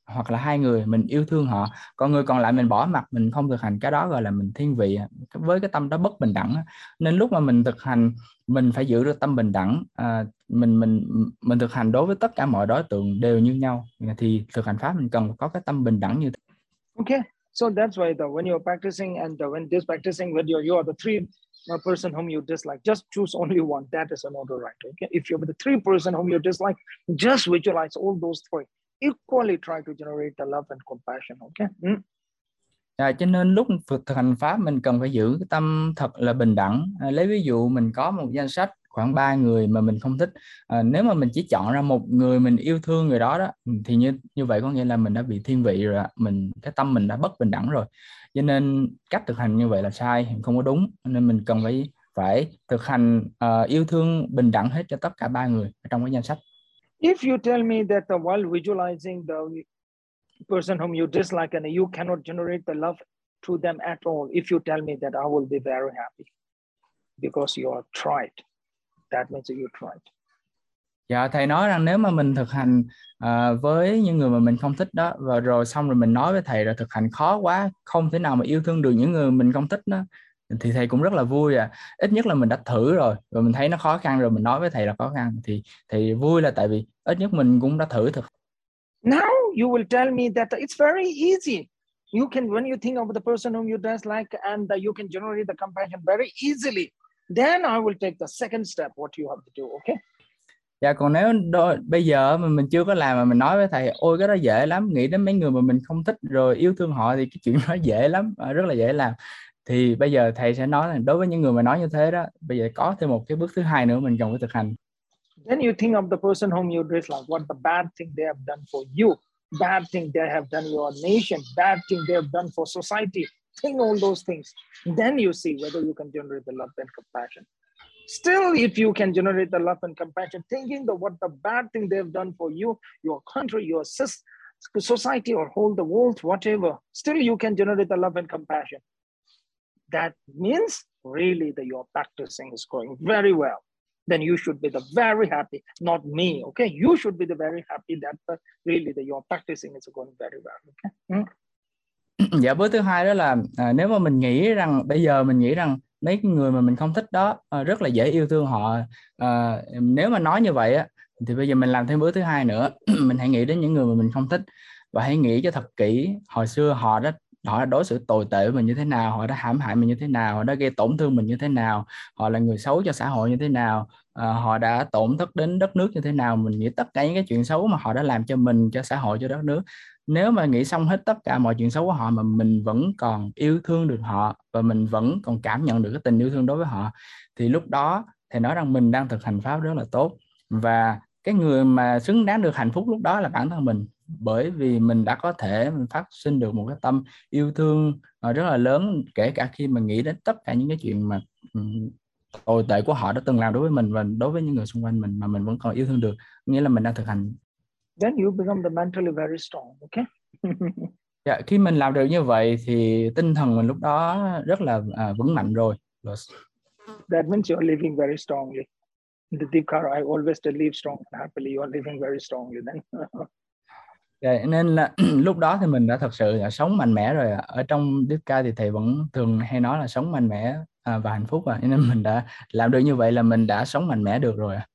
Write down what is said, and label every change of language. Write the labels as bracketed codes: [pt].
[vi] hoặc là hai người mình yêu thương họ, còn người còn lại mình bỏ mặc, mình không thực hành, cái đó gọi là mình thiên vị với cái tâm đó bất bình đẳng. Nên lúc mà mình thực hành, mình phải giữ được tâm bình đẳng, mình thực hành đối với tất cả mọi đối tượng đều như nhau, thì thực hành pháp mình cần có cái tâm bình đẳng như thế. [en] Okay, so that's why though, when you're practicing and when this practicing with you are the three person whom you dislike, just choose only one, that is an order, right? Okay, if you're with the three person whom you dislike, just visualize all those three. Equally try to generate the love and compassion, okay? [vi] À, cho nên lúc thực hành pháp mình cần phải giữ cái tâm thật là bình đẳng. À, lấy ví dụ mình có một danh sách khoảng 3 người mà mình không thích. À, nếu mà mình chỉ chọn ra một người mình yêu thương người đó đó, thì như vậy có nghĩa là mình đã bị thiên vị rồi, mình cái tâm mình đã bất bình đẳng rồi. Cho nên cách thực hành như vậy là sai, không có đúng. Nên mình cần phải thực hành yêu thương bình đẳng hết cho tất cả 3 người trong cái danh sách. [en] If you tell me that while visualizing the person whom you dislike and you cannot generate the love to them at all, if you tell me that, I will be very happy because you are tried. That means you tried. [vi] Dạ, thầy nói rằng nếu mà mình thực hành với những người mà mình không thích đó, và rồi xong rồi mình nói với thầy là thực hành khó quá, không thể nào mà yêu thương được những người mình không thích đó, thì thầy cũng rất là vui à. Ít nhất là mình đã thử rồi và mình thấy nó khó khăn rồi mình nói với thầy là khó khăn, thì thầy vui là tại vì ít nhất mình cũng đã thử thực. [en] Now you will tell me that it's very easy. You can, when you think of the person whom you dislike and that you can generate the compassion very easily, then I will take the second step what you have to do, okay? [vi] Dạ, còn nếu bây giờ mà mình chưa có làm mà mình nói với thầy, ôi cái đó dễ lắm, nghĩ đến mấy người mà mình không thích rồi yêu thương họ thì cái chuyện đó dễ lắm, rất là dễ làm. Thì bây giờ thầy sẽ nói là đối với những người mà nói như thế đó, bây giờ có thêm một cái bước thứ hai nữa mình cần phải thực hành. [en] Then you think of the person whom you dislike, what the bad thing they have done for you, bad thing they have done your nation, bad thing they have done for society, think all those things. Then you see whether you can generate the love and compassion. Still, if you can generate the love and compassion, thinking the what the bad thing they have done for you, your country, your society, or whole the world, whatever, still you can generate the love and compassion. That means really that your practicing is going very well. Then you should be the very happy, not me. Okay, you should be the very happy that really that your practicing is going very well. Okay. [vi] Dạ, bước thứ hai đó là nếu mà mình nghĩ rằng bây giờ mình nghĩ rằng mấy người mà mình không thích đó rất là dễ yêu thương họ, nếu mà nói như vậy á, thì bây giờ mình làm thêm bước thứ hai nữa. Mình hãy nghĩ đến những người mà mình không thích và hãy nghĩ cho thật kỹ hồi xưa họ đã đối xử tồi tệ với mình như thế nào, họ đã hãm hại mình như thế nào, họ đã gây tổn thương mình như thế nào, họ là người xấu cho xã hội như thế nào, họ đã tổn thất đến đất nước như thế nào. Mình nghĩ tất cả những cái chuyện xấu mà họ đã làm cho mình, cho xã hội, cho đất nước. Nếu mà nghĩ xong hết tất cả mọi chuyện xấu của họ mà mình vẫn còn yêu thương được họ và mình vẫn còn cảm nhận được cái tình yêu thương đối với họ, thì lúc đó thầy nói rằng mình đang thực hành pháp rất là tốt. Và cái người mà xứng đáng được hạnh phúc lúc đó là bản thân mình, bởi vì mình đã có thể phát sinh được một cái tâm yêu thương rất là lớn, kể cả khi mà nghĩ đến tất cả những cái chuyện mà tồi tệ của họ đã từng làm đối với mình và đối với những người xung quanh mình mà mình vẫn còn yêu thương được, nghĩa là mình đang thực hành. [en] Then you become the mentally very strong, okay? [vi] Dạ, khi mình làm được như vậy thì tinh thần mình lúc đó rất là vững mạnh rồi. [en] That means you are living very strongly. In the deep car, I always to live strong and happily. You are living very strongly then. [vi] Dạ, nên là lúc đó thì mình đã thật sự đã sống mạnh mẽ rồi. Ở trong deep car thì thầy vẫn thường hay nói là sống mạnh mẽ và hạnh phúc. Và nên mình đã làm được như vậy là mình đã sống mạnh mẽ được rồi.